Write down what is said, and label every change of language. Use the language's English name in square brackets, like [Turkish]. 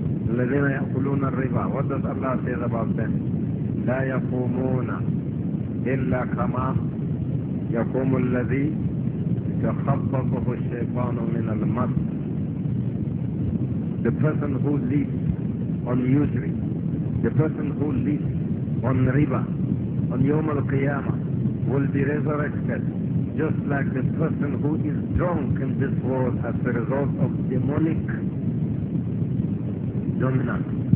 [Arabic] الذين يأكلون الربا, [English] what does Allah say about them? [Arabic] لا يقومون إلا كما يقوم الذي يخبطه الشيطان من المس. [English] The person who lives on usury, the person who lives on riba, on Yawm al-Qiyamah, will be resurrected just like the person who is drunk in this world as a result of demonic dominance.